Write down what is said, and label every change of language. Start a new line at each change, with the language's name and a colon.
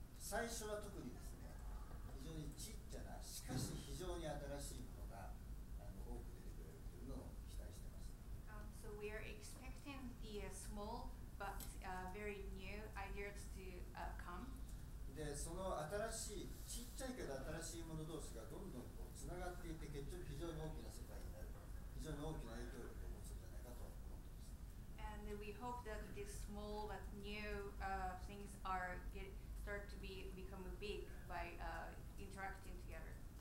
Japanese: 最初は特にですね、非常にちっちゃな、しかし非常に新しいものが多く出てくれるというのを期待しています。
English: So we are expecting the small but very new ideas to come.
Japanese: で、その新しい、ちっちゃいけど新しいもの同士がどんどんこうつながっていって、結局非常に大きな世界になる。
English: And we hope that these small but new things are start to become big by interacting together.